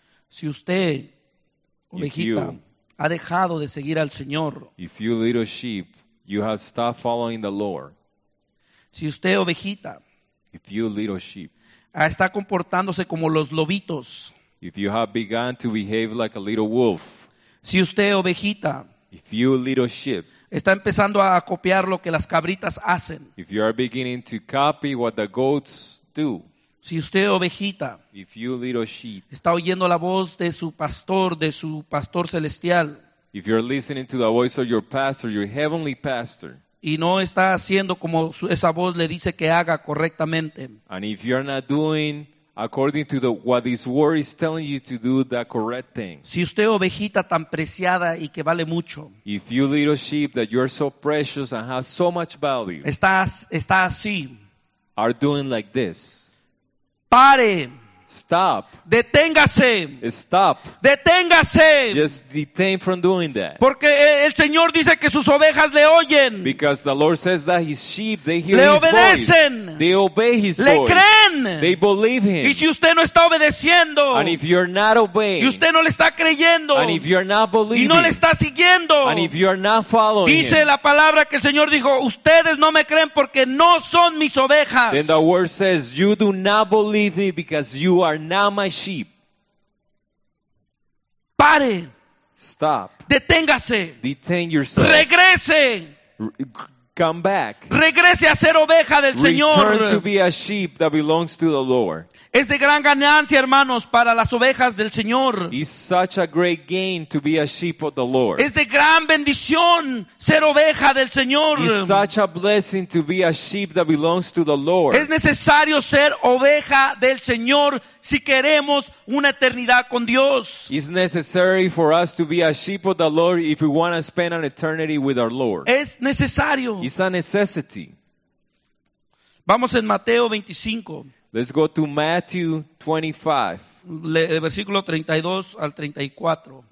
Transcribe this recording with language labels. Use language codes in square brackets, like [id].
[es] Si usted, ovejita, you, ha dejado de seguir al Señor, [en] if you, little sheep, you have stopped following the Lord. [es] Si usted, ovejita, [en] if you, little sheep, [es] está comportándose como los lobitos, [en] if you have begun to behave like a little wolf, [es] si usted, ovejita, [en] if you, little sheep, [es] está empezando a copiar lo que las cabritas hacen, [en] if you are beginning to copy what the goats do, [es] si usted, ovejita, [en] if you, little sheep, [es] está oyendo la voz de su pastor celestial, [en] if you're listening to the voice of your pastor, your heavenly pastor, [es] y no está haciendo como esa voz le dice que haga correctamente, [en] and if you're not doing according to what this word is telling you to do, the correct thing, [es] si usted, ovejita tan preciada y que vale mucho, [en] if you, little sheep, that you're so precious and have so much value, [es] está así, [en] are doing like this, [es] pare, [en] stop, [es] deténgase, [en] stop, [es] deténgase, [en] just detain from doing that, [es] porque el Señor dice que sus ovejas le oyen, [en] because the Lord says that his sheep, they hear [es] le [en] his [es] obedecen, [en] voice, they obey his [es] le [en] voice, [es] creen, [en] they believe him, [es] y si usted no está obedeciendo, [en] and if you're not obeying, [es] y usted no le está creyendo, [en] and if you're not believing, [es] y no le está siguiendo, [en] and if you're not following, [es] dice [en] him, [es] la palabra que el Señor dijo, ustedes no me creen porque no son mis ovejas, [en] then the word says, you do not believe me because you are not my sheep. [es] Pare. [en] Stop. [es] Deténgase. [en] Detain yourself. [es] Regrese. [en] Come back. [es] Regrese a ser oveja del Señor. [en] Return to be a sheep that belongs to the Lord. [es] Es de gran ganancia, hermanos, para las ovejas del Señor. [en] It's such a great gain to be a sheep of the Lord. [es] Es de gran bendición ser oveja del Señor. [en] It's such a blessing to be a sheep that belongs to the Lord. [es] Es necesario ser oveja del Señor si queremos una eternidad con Dios. [en] It's necessary for us to be a sheep of the Lord if we want to spend an eternity with our Lord. [es] Es necesario. [en] It's a necessity. [es] Vamos en Mateo 25. [en] Let's go to Matthew 25. [es] Versículo 32 al 34.